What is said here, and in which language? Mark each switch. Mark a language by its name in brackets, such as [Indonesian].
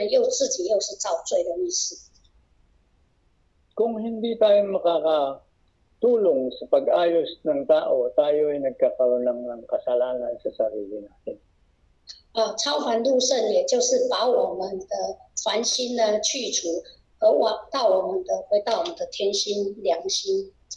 [Chinese] 我们不做好自己呢，我们却影响别人，又自己又是造罪的意思。 [Filipino] Kung hindi tayo makakatulong sa pag-ayos ng tao, tayo ay nagkakaroon lang ng kasalanan sa sarili natin. [Chinese] 超凡入圣，也就是把我们的凡心呢去除，回到我们的天心良心。